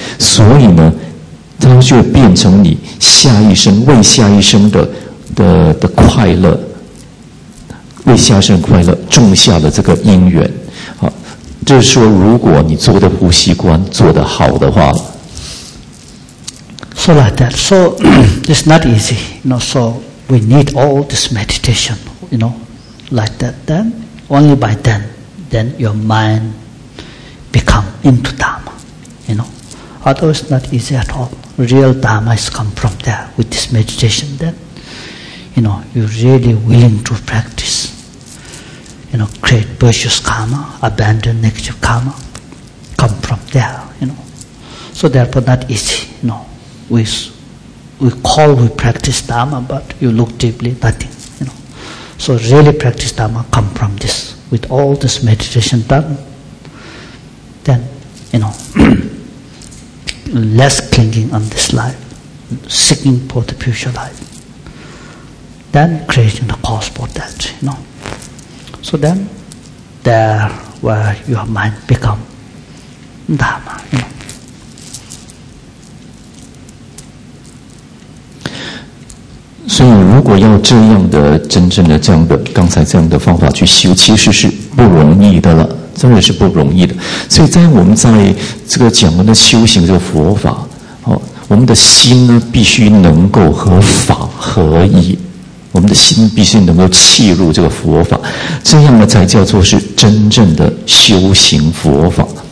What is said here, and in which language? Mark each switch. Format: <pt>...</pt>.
<zh>所以呢，它就变成你下一生为下一生的快乐，为下一生快乐种下了这个因缘。啊，就是说，如果你做的呼吸观做得好的话。</zh> <en>So like that. So it's not easy. No, so. We need all this meditation, you know, like that. Then, only by then your mind become into Dharma, you know. Otherwise, not easy at all. Real Dharma has come from there with this meditation. Then, you know, you're really willing to practice, you know, create virtuous karma, abandon negative karma, come from there, you know. So therefore, not easy, you know, we practice Dharma, but you look deeply, nothing, you know. So really practice Dharma come from this. With all this meditation done, then, you know, less clinging on this life, seeking for the future life, then creating the cause for that, you know. So then, there where your mind become Dharma, you know.</en> <zh>所以如果要这样的真正的这样的刚才这样的方法去修其实是不容易的了，真的是不容易的。所以在我们在这个讲的修行这个佛法、哦、我们的心呢必须能够和法合一，我们的心必须能够契入这个佛法，这样呢才叫做是真正的修行佛法。</zh>